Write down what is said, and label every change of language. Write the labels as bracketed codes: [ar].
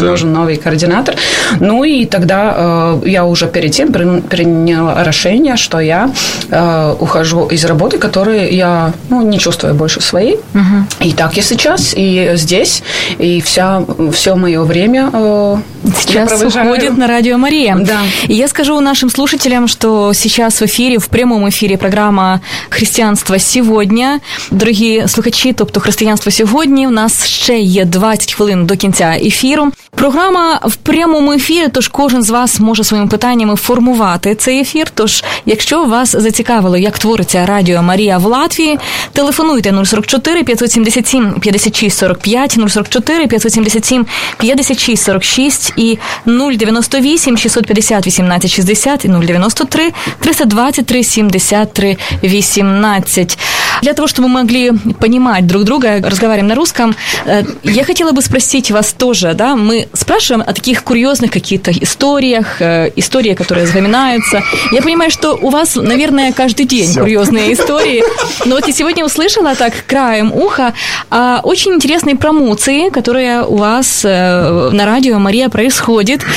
[ru] Да, нужен новый координатор. Ну и тогда я уже перед тем приняла решение, что я ухожу из работы, которую я, ну, не чувствую больше своей. Uh-huh. И так и сейчас, и здесь, и все мое время сейчас уходит на Радио Мария. Да. И я скажу нашим слушателям, что сейчас в эфире, в прямом эфире программа «Христианство сегодня». [uk] Дорогие слухачі, тобто «Християнство сьогодні», у нас ще є 20 хвилин до кінця ефіру. Програма в прямому ефірі, тож кожен з вас може своїми питаннями формувати цей ефір. Тож, якщо вас зацікавило, як твориться Радіо Марія в Латвії, телефонуйте 044-577-5645, 044-577-5646 і 098-650-1860 і 093-320-370-318. [ru] Для того, [uk] щоб ми могли [ru] понимать друг друга, [uk] розговорюємо [ru] на русском, [uk] я хотіла би [ru] спросити вас теж, да, ми спрашиваем о таких курьезных каких-то историях, истории, которые запоминаются. Я понимаю, что у вас, наверное, каждый день курьезные истории. Но вот я сегодня услышала так краем уха о очень интересной промоции, которая у вас на радио Мария происходит.